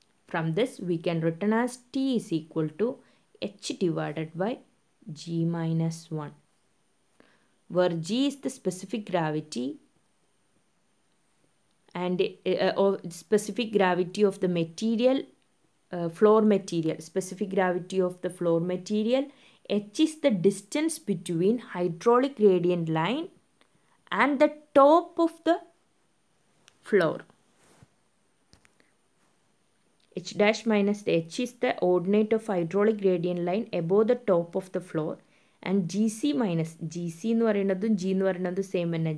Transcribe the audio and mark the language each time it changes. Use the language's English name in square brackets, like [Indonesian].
[English] From this we can written as T is equal to H divided by G minus one, where G is the specific gravity and specific gravity of the material floor material, specific gravity of the floor material. H is the distance between hydraulic gradient line and the top of the floor. H dash minus H is the ordinate of hydraulic gradient line above the top of the floor. And GC minus, [Malayalam] GC എന്ന് പറയുന്നതും G എന്ന് പറയുന്നതും same തന്നെ.